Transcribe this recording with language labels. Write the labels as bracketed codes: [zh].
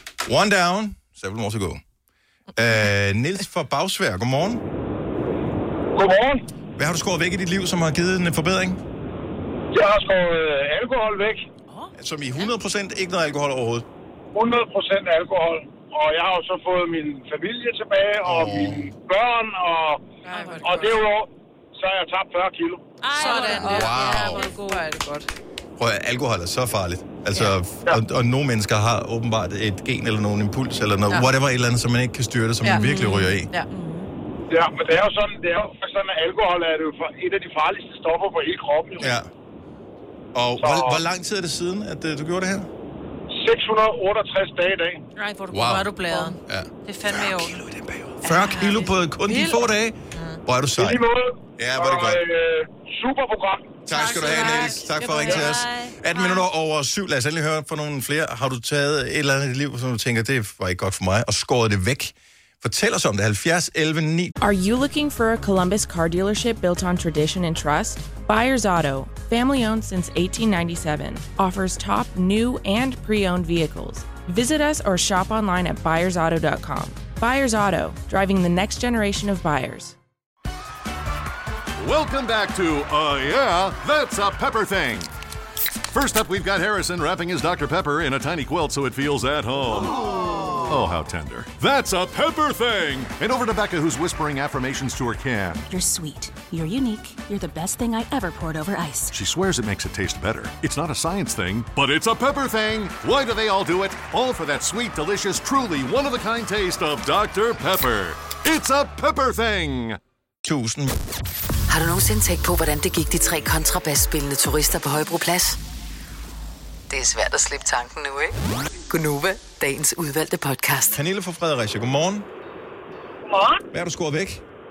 [en] One down, several more to go. [da] Niels fra Bagsvær, godmorgen. Godmorgen. Hvad har du skåret væk i dit liv, som har givet en forbedring? Jeg har skåret alkohol væk. Som i 100% ikke noget alkohol overhovedet? 100% alkohol. Og jeg har så fået min familie tilbage, og mine børn, og, og derudover, så har jeg tabt 40 kilo. Sådan. Wow. Ja, hvor god er det godt. Prøv at, alkohol er så farligt. Altså, ja. og nogle mennesker har åbenbart et gen eller nogen impuls, eller noget, ja. Whatever, et eller andet, som man ikke kan styre det, som man virkelig ryger i. Ja. Ja, men det er jo sådan, det er jo sådan, at alkohol er det jo et af de farligste stoffer på hele kroppen. Ja. Og så, hvor lang tid er det siden, at du gjorde det her? 668 dage i dag. Nej, hvor er du bladet. Ja. Det er fandme 40 kilo i den periode. 40 kilo på kun de få dage? Ja. Hvor er du sej. I lige måde. Ja, hvor er det godt. Super program. Tak skal du have, Niels. Tak for at ringe til os. 18 minutter over 7. Lad os endelig høre fra nogle flere. Har du taget et eller andet i dit liv, som du tænker, det var ikke godt for mig, og skåret det væk? Fortæl os om det. 70 11 9. [en] Are you looking for a Columbus car dealership built on tradition and trust? Byers Auto, family-owned since 1897, offers top new and pre-owned vehicles. Visit us or shop online at buyersauto.com. Byers Auto, driving the next generation of buyers. Welcome back to Yeah, That's a Pepper Thing. First up, we've got Harrison wrapping his Dr. Pepper in a tiny quilt so it feels at home. Oh, how tender. That's a Pepper Thing. And over to Becca, who's whispering affirmations to her can. You're sweet. You're unique. You're the best thing I ever poured over ice. She swears it makes it taste better. It's not a science thing, but it's a Pepper Thing. Why do they all do it? All for that sweet, delicious, truly one-of-a-kind taste of Dr. Pepper. It's a Pepper Thing. [da] Tusind. Har du nogensinde tænkt på, hvordan det gik de tre kontrabasspillende turister på Højbroplads? Det er svært at slippe tanken nu, ikke? Gunova, dagens udvalgte podcast. Pernille fra Fredericia, godmorgen. Godmorgen. Hvad har du skåret væk?